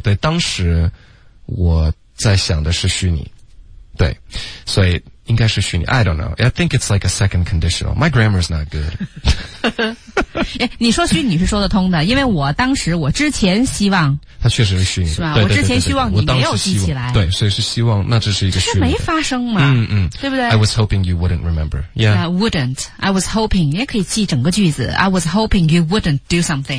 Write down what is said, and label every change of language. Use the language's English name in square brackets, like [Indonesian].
[Chinese] 对，当时我在想的是虚拟，对，所以应该是虚拟。 [English] I don't know. I think it's like a second conditional. My grammar is not good. [Chinese] 你说虚拟是说得通的，因为我当时我之前希望它确实是虚拟的，是吧？我之前希望你没有记起来，对，所以是希望那这是一个虚拟的，这没发生嘛？嗯嗯，对不对 [English] ？I was hoping you wouldn't remember. Yeah, I wouldn't. I was hoping. [Chinese] 你也可以记整个句子。 [English] I was hoping you wouldn't do something.